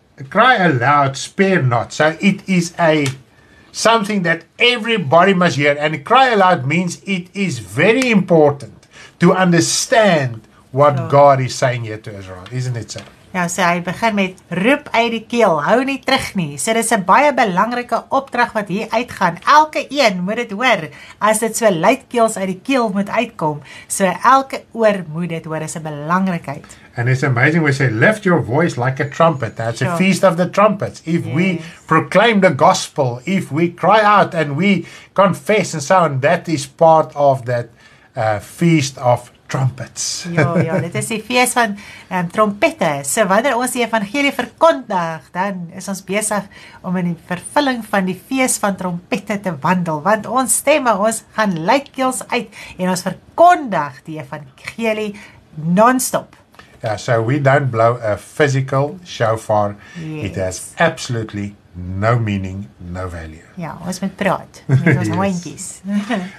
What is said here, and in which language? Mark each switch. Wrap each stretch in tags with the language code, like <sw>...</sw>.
<en>Cry aloud, spare not. So it is something that everybody must hear. And cry aloud means it is very important to understand what God is saying here to Israel. Isn't it so?</en> <af>Ja, so hy begin met roep uit die keel, hou nie terug nie. So dit is 'n baie belangrike opdrag wat hier uitgaan. Elke een moet dit hoor, as dit so luidkeels uit die keel moet uitkom. So elke oor moet dit hoor, is 'n belangrikheid.</af> <en>And it's amazing, we say, lift your voice like a trumpet. That's a feast of the trumpets. If we proclaim the gospel, if we cry out and we confess and so on, that is part of that feast of trumpets.</en> <af>Ja, dit is die feest van trompette. So wanneer ons die evangelie verkondig, dan is ons besig om in die vervulling van die feest van trompette te wandel, want ons stemme, ons gaan luidkeels uit, en ons verkondig die evangelie non-stop.</af> <en>Yeah, so we don't blow a physical shofar. Yes. It has absolutely no meaning, no value.</en> <af>Yeah, ons moet praat met ons hondjies.</af>